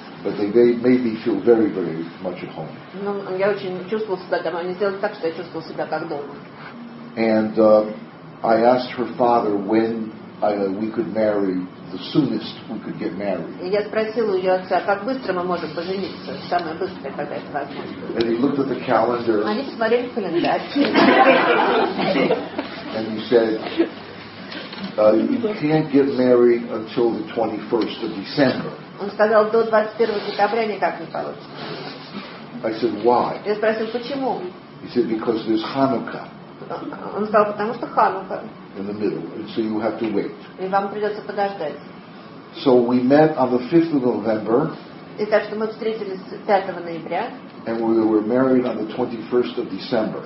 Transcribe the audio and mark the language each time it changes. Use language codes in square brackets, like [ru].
[en] But they made me feel very, very much at home. [ru] Ну, я очень чувствовал себя дома. Они сделали так, что я чувствовал себя как дома. [en] And I asked her father when we could marry. The soonest we could get married. [ru] Я спросил у ее отца, как быстро мы можем пожениться, самое быстрое, когда это возможно. [en] And he looked at the calendar. [ru] Они посмотрели календарь. [en] And he said, you can't get married until the 21st of December. [ru] Он сказал, до 21 декабря никак не получится. [en] I said, why? [ru] Я спросил, почему? [en] He said, because there's Ханука. [ru] Он сказал, потому что Ханука. [en] In the middle, and so you have to wait. [ru] И вам придется подождать. [en] So we met on the 5th of November. [ru] И так что мы встретились 5 ноября. [en] And we were married on the 21st of December.